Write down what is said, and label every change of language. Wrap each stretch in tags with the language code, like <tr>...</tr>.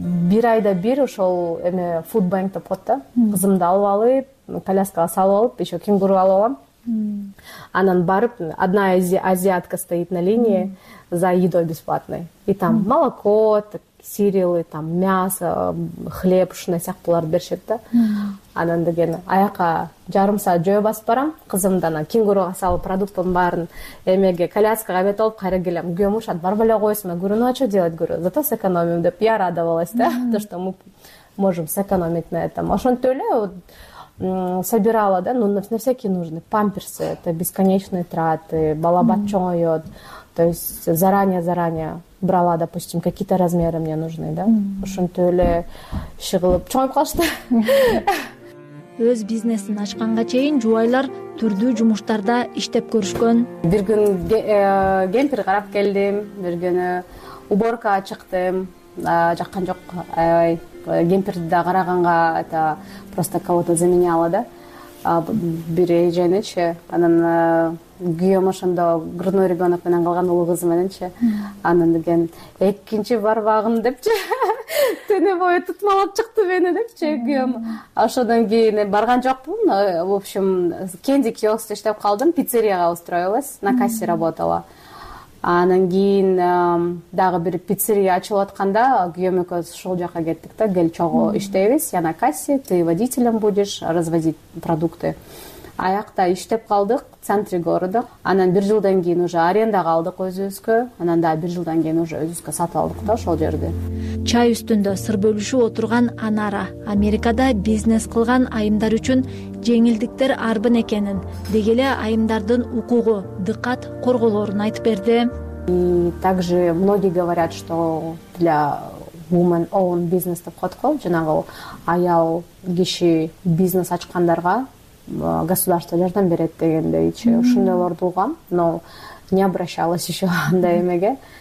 <ky>Бир айда бир ошол эме фудбанк деп коет да, кызымды алып алып коляскага салып алып еще кенгуру алып алам.</ky> <ru>Анан барып одна азиатка стоит на линии за едой бесплатной, и там молоко, сирилы, там мясо, хлеб,</ru> <ky>ушундай сыяктууларды беришет да. Анан деген аяка жарым саат жөө басып барам, кызымды анан кенгуруга салып продуктын баарын эмеге коляскага бетолуп кайра келем. Күйөөм урушат, барып эле койсуң,</ky> <ru>говорю, ну а что делать, говорю, зато сэкономим деп. Я радовалась да, то что мы можем сэкономить на этом.</ru> <ky>Ошентип эле</ky> <ru>собирала да, ну на всякие нужны памперсы, это бесконечные траты,</ru> <ky>балабат чоңоет.</ky> <ru>То есть заранее брала, допустим, какие-то размеры мне нужны, да?</ru> <ky>Ошонтип эле чыгылып чоңоюп калышты. Өз бизнесин ачканга чейин жубайлар түрдүү жумуштарда иштеп көрүшкөн. Бир күн гемпер карап келдим, бир күнү уборкага чыктым. Жаккан жок, аябай гемперди да караганга</ky> <ru>это просто кого-то заменяла,</ru> <ky>да? Бир эженичи, анан күйөөм ошондо</ky> <ru>грудной ребенок</ru> <ky>менен калган улуу кызы мененчи, анан деген экинчи барбагым депчи, түнү бою тутмалап чыкты мени депчи күйөөм. Ошодон кийин барган жокмун,</ky> <ru>в общем</ru> <ky>кенди киоскто иштеп калдым, пиццерияга</ky> <ru>устроилась, на кассе работала.</ru> <ky>Анан кийин дагы бир пиццерия ачылып атканда күйөөм экөөбүз ушул жака кеттик да, кел чогуу иштейбиз,</ky> <ru>я на кассе, ты водителем будешь развозить продукты.</ru> <ky>Аякта иштеп калдык в центре города. Анан бир жылдан кийин уже арендага алдык өзүбүзгө, анан дагы бир жылдан кийин уже өзүбүзгө сатып алдык да ошол жерди. Чай үстүндө сыр бөлүшүп отурган Анара Америкада бизнес кылган айымдар үчүн жеңилдиктер арбын экенин, деги эле айымдардын укугу, дыкат корголорун айтып берди.</ky> <ru>И также многие говорят, что для</ru> <en>woman owned business</en> <ky>деп коет го, жанагы аял киши бизнес ачкандарга государство жардам берет дегендейчи. Ошондойлорду угам,</ky> <ru>но не обращалась еще</ru> <ky>андай эмеге.</ky>